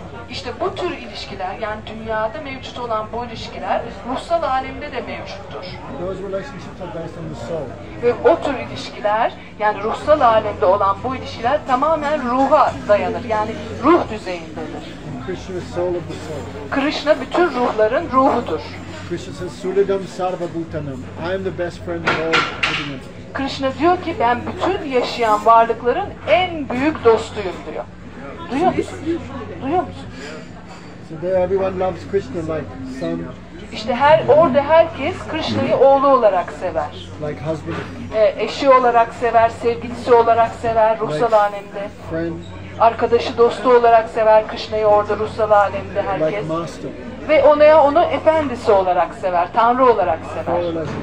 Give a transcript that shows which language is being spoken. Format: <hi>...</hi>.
<tr>İşte bu tür ilişkiler, yani dünyada mevcut olan bu ilişkiler ruhsal alemde de mevcuttur.</tr> <en>Those relationships are based on the soul.</en> <tr>Ve o tür ilişkiler, yani ruhsal alemde olan bu ilişkiler tamamen ruha dayanır, yani ruh düzeyindedir.</tr> <en>Krishna, soul of the soul.</en> <tr>Krishna bütün ruhların ruhudur.</tr> <sa>Krishna says, "Suridam sarva bhutanam.</sa> <en>I am the best friend of all living entities."</en> <tr>Krishna diyor ki ben bütün yaşayan varlıkların en büyük dostuyum diyor. Duyuyor musun? Duyuyor musun?</tr> <en>So there everyone loves Krishna like son.</en> <tr>İşte orada herkes Krishna'yı oğlu olarak sever.</tr> <en>Like husband.</en> <tr>Eşi olarak sever, sevgilisi olarak sever ruhsal</tr> <en>like</en> <tr>alemde.</tr> <en>Friend.</en> <tr>Arkadaşı, dostu olarak sever Krishna'yı orada ruhsal alemde herkes.</tr> <en>Like master.</en> <tr>Ve onu efendisi olarak sever, Tanrı olarak sever.</tr>